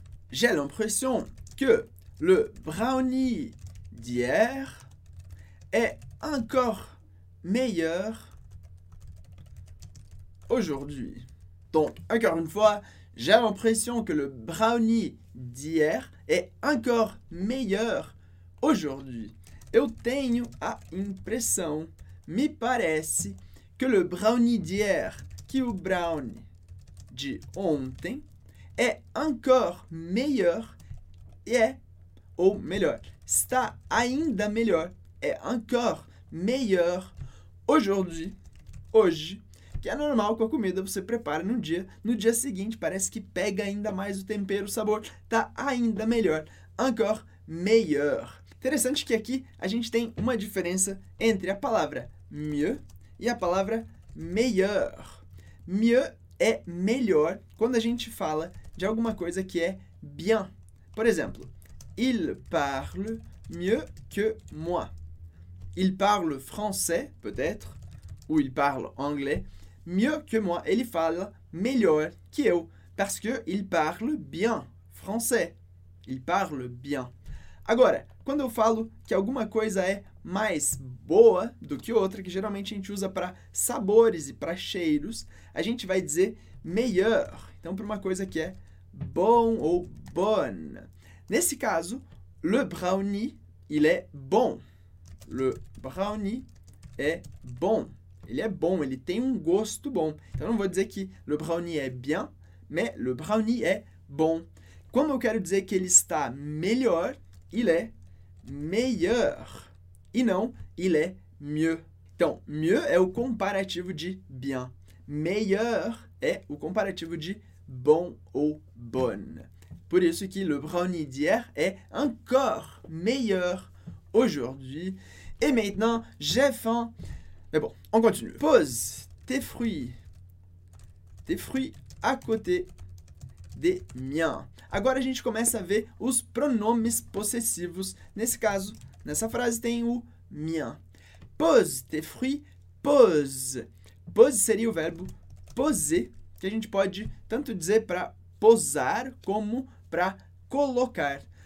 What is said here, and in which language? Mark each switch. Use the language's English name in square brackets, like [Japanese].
[French] J'ai l'impression que le brownie d'hier est encore meilleur aujourd'hui. Donc, encore une fois, j'ai l'impression que le brownie d'hier est encore meilleur aujourd'hui. [Portuguese] Eu tenho a impressão, me parece, que [French] le brownie d'hier, [Portuguese] que o brownie de ontem, é [French] encore meilleur, [Portuguese] ou melhor, está ainda melhor, é [French] encore meilleur aujourd'hui, [Portuguese] hoje, que é normal com a comida, você prepara no dia, no dia seguinte parece que pega ainda mais o tempero, o sabor, tá ainda melhor, encore meilleur. Interessante que aqui a gente tem uma diferença entre a palavra mieux e a palavra meilleur. Mieux é melhor quando a gente fala de alguma coisa que é bien. Por exemplo, [French] il parle mieux que moi. Il parle français, peut-être, ou il parle anglais, mieux que moi. [Portuguese] Ele fala melhor que eu, [French] parce que il parle bien français. Il parle bien. [Portuguese] Agora, quando eu falo que alguma coisa é mais boa do que outra, que geralmente a gente usa para sabores e para cheiros, a gente vai dizer meilleur. Então, para uma coisa que é bom ou bonne. Nesse caso, [French] le brownie, il est bon. Le brownie est bon. [Portuguese] Ele é bom, ele tem um gosto bom. Então, não vou dizer que [French] le brownie est bien, mais le brownie est bon. [Portuguese] Como eu quero dizer que ele está melhor, [French] il est meilleur. [Portuguese] E não, [French] il est mieux. [Portuguese] Então, mieux é o comparativo de bien. Meilleur é o comparativo de bon ou bonne. Por isso que [French] le brownie d'hier est encore meilleur aujourd'hui. Et maintenant, j'ai faim. Mais bon, on continue. Pose tes fruits à côté des miens. [Portuguese] Agora a gente começa a ver os pronomes possessivos. Nesse caso, nessa frase tem o mien. [French] Pose tes fruits, pose. [Portuguese] Pose seria o verbo poser, que a gente pode tanto dizer para posar como para colocar.